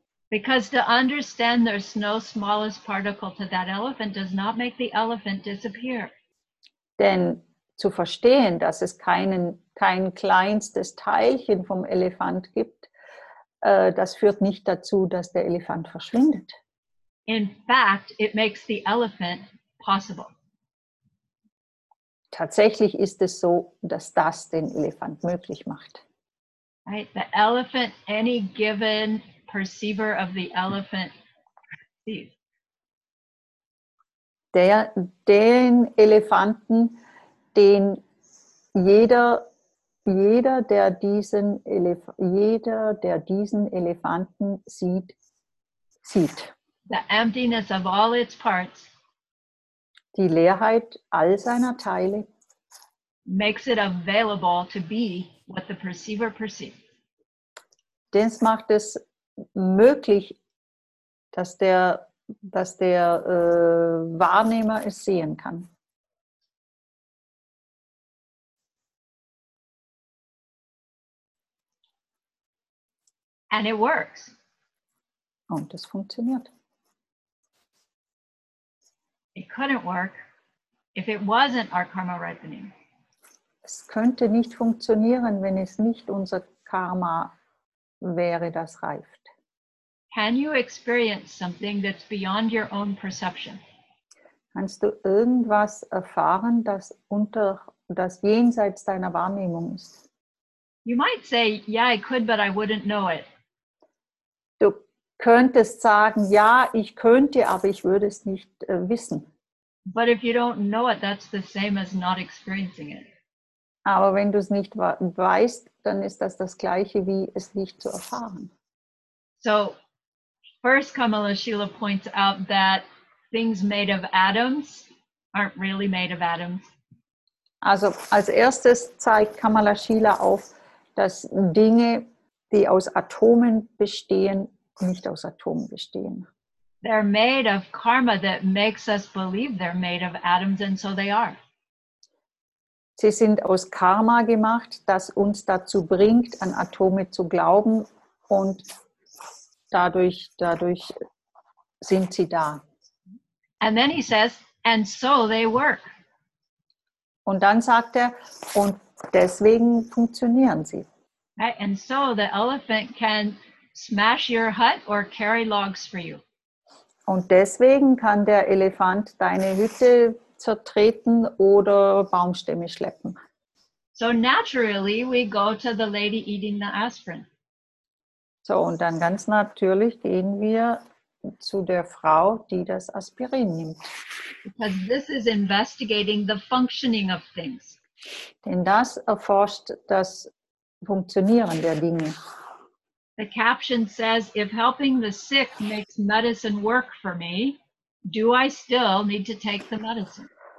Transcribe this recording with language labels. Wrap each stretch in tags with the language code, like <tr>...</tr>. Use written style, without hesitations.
<en>Because to understand there's no smallest particle to that elephant does not make the elephant disappear.</en> <de>Denn zu verstehen, dass es kein kleinstes Teilchen vom Elefant gibt, das führt nicht dazu, dass der Elefant verschwindet.</de> <en>In fact, it makes the elephant possible.</en> <de>Tatsächlich ist es so, dass das den Elefant möglich macht.</de> <en>Right, the elephant, any given perceiver of the elephant perceives.</en> <de>Den Elefanten, den jeder, der diesen Elefanten sieht.</de> <en>The emptiness of all its parts.</en> <de>Die Leerheit all seiner Teile</de> <en>makes it available to be what the perceiver perceives.</en> <de>Das macht es möglich, dass der Wahrnehmer es sehen kann.</de> <en>And it works.</en> <de>Und es funktioniert.</de> <en>It couldn't work if it wasn't our karma ripening.</en> <de>Es könnte nicht funktionieren, wenn es nicht unser Karma wäre, das reift.</de> <en>Can you experience something that's beyond your own perception?</en> <de>Kannst du irgendwas erfahren, das jenseits deiner Wahrnehmung ist?</de> <en>You might say, yeah, I could, but I wouldn't know it.</en> <de>Du könntest sagen, ja, ich könnte, aber ich würde es nicht wissen.</de> <en>But if you don't know it, that's the same as not experiencing it.</en> <de>Aber wenn du es nicht weißt, dann ist das Gleiche, wie es nicht zu erfahren.</de> <en>So, first Kamala Shila points out that things made of atoms aren't really made of atoms.</en> <de>Also, als erstes zeigt Kamala Shila auf, dass Dinge, die aus Atomen bestehen, nicht aus Atomen bestehen.</de> <en>They're made of karma that makes us believe they're made of atoms, and so they are.</en> <de>Sie sind aus Karma gemacht, das uns dazu bringt, an Atome zu glauben, und dadurch sind sie da.</de> <en>And then he says, and so they work.</en> <de>Und dann sagt er, und deswegen funktionieren sie.</de> <en>Right, and so the elephant can smash your hut or carry logs for you.</en> <de>Und deswegen kann der Elefant deine Hütte zertreten oder Baumstämme schleppen.</de> <en>So naturally we go to the lady eating the aspirin.</en> <de>So, und dann ganz natürlich gehen wir zu der Frau, die das Aspirin nimmt.</de> <en>Because this is investigating the functioning of things.</en> <de>Denn das erforscht das Funktionieren der Dinge.</de> <en>The caption says, if helping the sick makes medicine work for me, do I still need to take the medicine?</en>